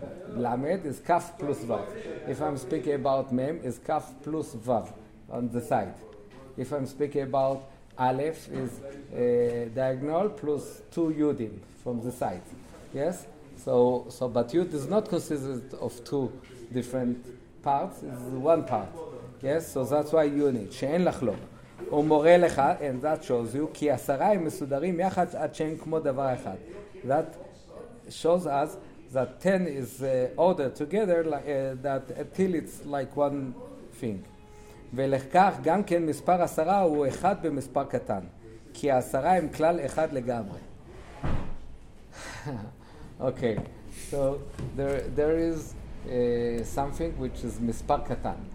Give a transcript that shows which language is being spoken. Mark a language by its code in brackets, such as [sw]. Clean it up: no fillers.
[en] Lamed is Kaf plus Vav. If I'm speaking about Mem, is Kaf plus Vav on the side. if I'm speaking about Aleph is diagonal plus two Yudim from the side. Yes? So but Yud is not considered of two different parts, it's one part. Yes? So that's why you need. [he] She'en lachlo. ומורה לך, [en] and that shows you, [he] כי עשרה הם מסודרים יחד עד שהם כמו דבר אחד. [en] That shows us that ten is ordered together, that until it's like one thing. [he] ולכך גם כן מספר עשרה הוא אחד במספר קטן, כי העשרה הם כלל אחד לגמרי. [en] Okay, so there is something which is [he] מספר קטן.